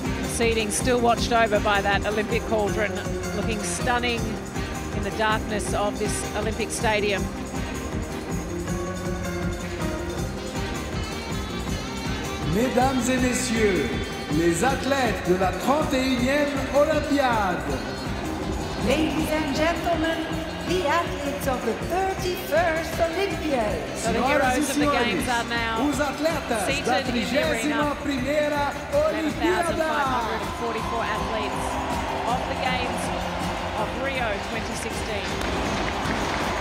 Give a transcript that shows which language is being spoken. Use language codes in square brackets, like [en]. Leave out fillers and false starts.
[en] Seating still watched over by that Olympic cauldron, looking stunning in the darkness of this Olympic stadium. [fr] Mesdames et messieurs, les athlètes de la 31e Olympiade. [en] Ladies and gentlemen, the athletes of the 31st Olympiade. So the heroes of the games are now [pt] os atletas da 31ª Olimpíada. [en] 7,544 athletes of the games of Rio 2016.